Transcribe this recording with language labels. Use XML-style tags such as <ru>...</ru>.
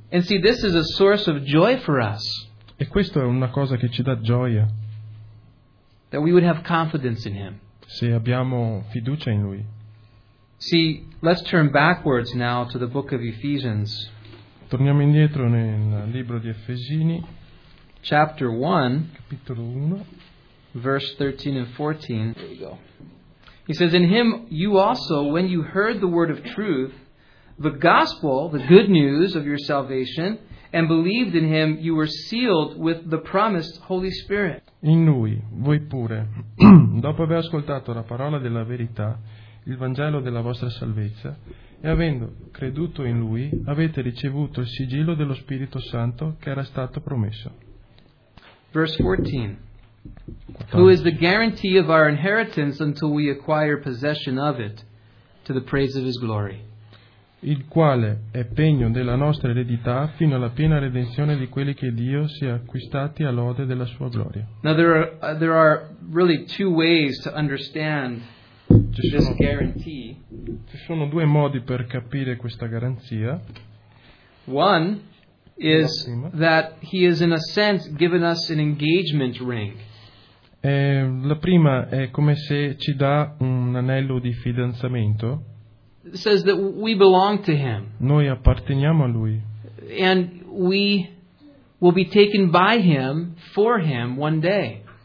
<en>And see, this is a source of joy for us.</en> <it>E questo è una cosa che ci dà gioia.</it> <en>That we would have confidence in Him.</en> <it>Se abbiamo fiducia in Lui.</it> <en>See, let's turn backwards now to the book of Ephesians.</en> <it>Torniamo indietro nel libro di Efesini.</it> <en>Chapter 1.</en> <it>Capitolo 1.</it> <en>Verse 13 and 14. There you go. He says, in him you also, when you heard the word of truth, the gospel, the good news of your salvation, and believed in him, you were sealed with the promised Holy Spirit.</en> <it>In lui, voi pure, dopo aver ascoltato la parola della verità, il Vangelo della vostra salvezza, e avendo creduto in lui, avete ricevuto il sigillo dello Spirito Santo che era stato promesso.</it> <en>Verse 14. Who is the guarantee of our inheritance until we acquire possession of it to the praise of his glory.</en> <it>Il quale è pegno della nostra eredità fino alla piena redenzione di quelli che Dio si è acquistati a lode della sua gloria.</it> <en>Now there are really two ways to understand this guarantee.</en> <it>Ci sono due modi per capire questa garanzia.</it> <en>One is that he is in a sense given us an engagement ring.</en> <it>La prima è come se ci dà un anello di fidanzamento.</it> <en>It says that we belong to him.</en> <it>Noi apparteniamo a lui.</it> <en>And we will be taken by him for him one day.</en>